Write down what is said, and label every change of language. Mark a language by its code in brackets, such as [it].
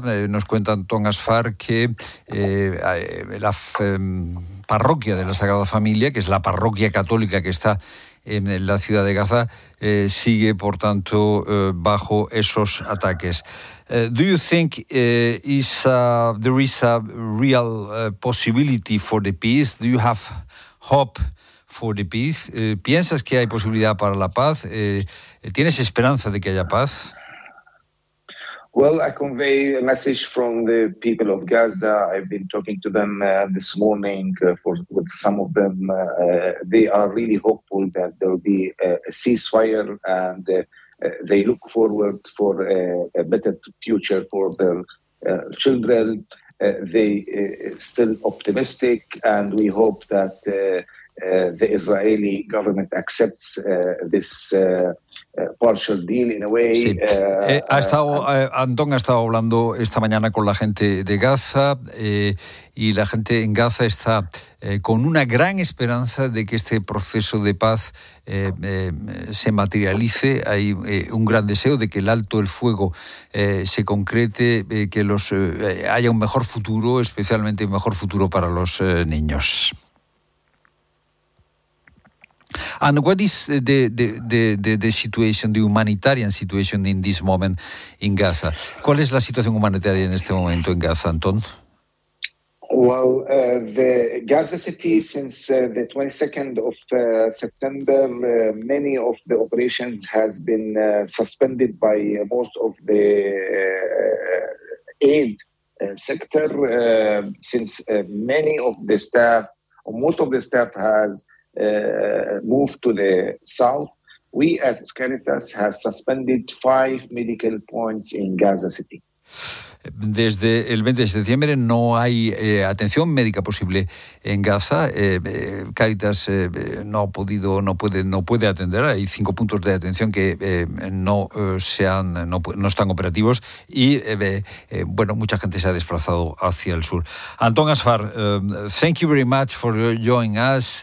[es] Nos cuenta Antón Asfar que la parroquia de la Sagrada Familia, que es la parroquia católica que está en la ciudad de Gaza, sigue, por tanto, bajo esos ataques. [en] Do you think there is a real possibility for the peace? Do you have hope [es] for the peace. ¿Piensas que hay posibilidad para la paz? ¿Tienes esperanza de que haya paz? [en] Well, I convey a message from the people of Gaza. I've been talking to them this morning with some of them. They are really hopeful that there will be a ceasefire, and they look forward for a better future for their children. They still optimistic, and we hope that the Israeli government accepts this partial deal in a way. [es] Sí. Anton ha estado hablando esta mañana con la gente de Gaza, y la gente en Gaza está con una gran esperanza de que este proceso de paz se materialice. Hay un gran deseo de que el alto el fuego se concrete, que los haya un mejor futuro, especialmente un mejor futuro para los niños. [en] And what is the situation, the humanitarian situation in this moment in Gaza? [es] ¿Cuál es la situación humanitaria en este momento en Gaza, Anton? [en] Well, the Gaza City, since the 22nd of September, many of the operations has been suspended by most of the aid sector, since many of the staff, or most of the staff has moved to the south. We at Caritas has suspended 5 medical points in Gaza City. [es] Desde el 20 de septiembre no hay atención médica posible en Gaza. Caritas no puede atender. Hay 5 puntos de atención que no están operativos, y mucha gente se ha desplazado hacia el sur. [en] Anton Asfar, thank you very much for joining us.